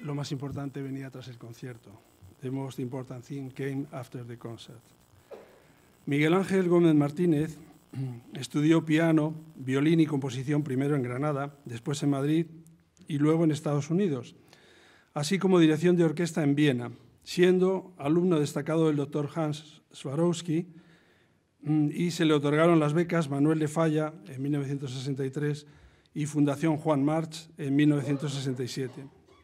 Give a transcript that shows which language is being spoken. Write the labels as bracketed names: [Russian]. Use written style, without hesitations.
[Spanish] Importante venía tras el concierto. [English] The most important thing came after the concert. [Spanish] Miguel Ángel Gómez Martínez estudió piano, violín y composición primero en Granada, después en Madrid y luego en Estados Unidos, así como dirección de orquesta en Viena, siendo alumno destacado del doctor Hans Swarovski, y se le otorgaron las becas Manuel de Falla en 1963 y Fundación Juan March en 1967.